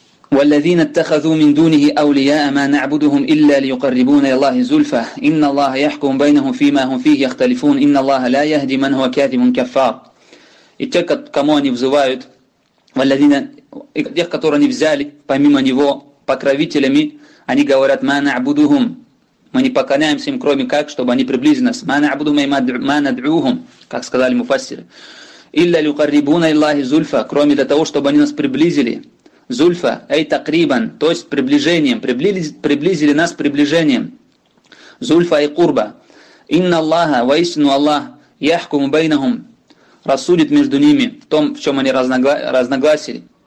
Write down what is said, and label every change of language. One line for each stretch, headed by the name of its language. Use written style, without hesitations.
Arabic: وَالَّذِينَ اتَّخَذُوا مِن دُونِهِ أَوْلِيَاءَ مَا نَعْبُدُهُمْ إِلَّا لِيُقَرِّبُونَ إِلَى اللَّهِ زُلْفَى إِنَّ اللَّهَ يَحْكُمُ بَيْنَهُمْ فِيمَا هُمْ فِيهِ يَخْتَلِفُونَ إِنَّ اللَّهَ لَا يَهْدِي مَنْ هُوَ كَاذِبٌ كَفَّارٌ.
Russian: И те, кому они взывают, وَالَّذِينَ, тех, которые они взяли помимо него покровителями, они говорят
Arabic: مَا نَعْبُدُهُمْ,
Russian: мы не поклоняемся им, кроме как, чтобы они приблизили нас.
Arabic: مَا نَعْبُدُهُمْ مَا نَدْعُوهُمْ,
Russian: как сказали муфассиры.
Arabic: إِلَّا لِيُقَرِّبُونَ إِلَى اللَّهِ زُلْفَى,
Russian: кроме для того, чтобы они нас приблизили. Зульфа,
Arabic: эй такрибан,
Russian: то есть приближением, приблизили нас приближением. Зульфа и курба.
Arabic: Инна Аллаха,
Russian: воистину Аллах,
Arabic: яхкуму байнахум,
Russian: рассудит между ними в том, в чем они разногласили.